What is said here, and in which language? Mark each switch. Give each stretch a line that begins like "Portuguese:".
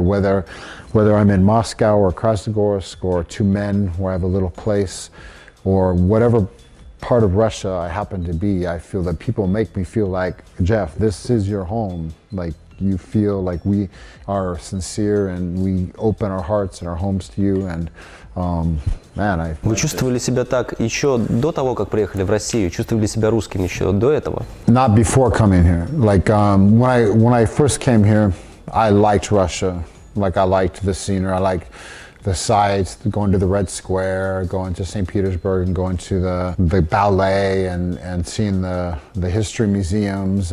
English: Whether I'm in Moscow or Krasnogorsk or Tumen, where I have a little place, or whatever part of Russia I happen to be, I feel that people make me feel like, Jeff, this is your home. Like, you feel like we are sincere and we open our hearts and our homes to you. And man, I.
Russian: Вы чувствовали себя так еще до того, как приехали в Россию? Чувствовали себя русским еще до этого?
English: Not before coming here. Like when I first came here, I liked Russia. Like I liked the scenery. I liked the sights, going to the Red Square, going to St. Petersburg, and going to the ballet and seeing the history museums.